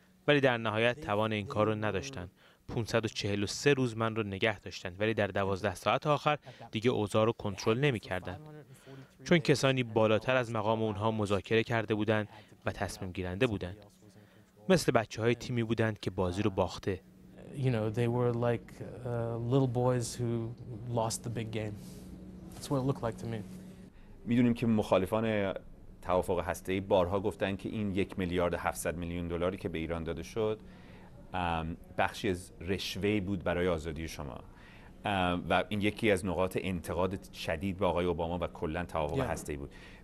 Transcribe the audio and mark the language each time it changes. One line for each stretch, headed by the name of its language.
Persian: ولی در نهایت توان این کار رو نداشتن. 543 روز من رو نگه داشتن، ولی در 12 ساعت آخر دیگه اوضاع رو کنترل نمی‌کردن. چون کسانی بالاتر از مقام اونها مذاکره کرده بودند و تصمیم گیرنده بودند. مثل بچه های تیمی بودند که بازی رو باخته.
English: You know, they were like little boys who lost the big game. That's what it looked like to me.
Persian: می‌دونیم که مخالفان توافق هسته‌ای بارها گفتن که این 1,700,000,000 دلاری که به ایران داده شد بخشی از رشوه بود برای آزادی شما. و این یکی از نقاط انتقاد شدید به آقای اوباما و کلن توافق هسته‌ای بود.